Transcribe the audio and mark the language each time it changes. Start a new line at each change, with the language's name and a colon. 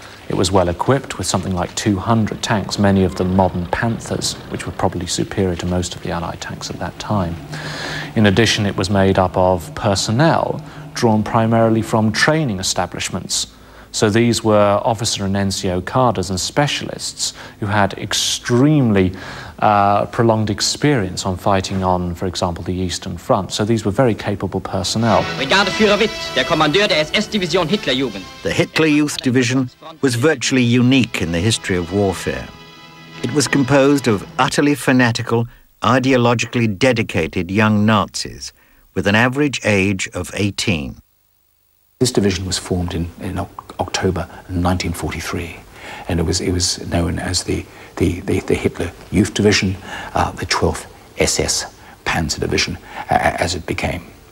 English: It was well equipped with something like 200 tanks, many of them modern Panthers, which were probably superior to most of the Allied tanks at that time. In addition, it was made up of personnel drawn primarily from training establishments. So these were officer and NCO cadres and specialists who had extremely prolonged experience on fighting on, for example, the Eastern Front. So these were very capable personnel.
German: Brigadeführer Witt, der Kommandeur der SS-Division Hitlerjugend.
English: The Hitler Youth Division was virtually unique in the history of warfare. It was composed of utterly fanatical, ideologically dedicated young Nazis with an average age of 18. This division was formed in October 1943, and it was known as the Hitler Youth Division, the 12th SS Panzer Division, as it became.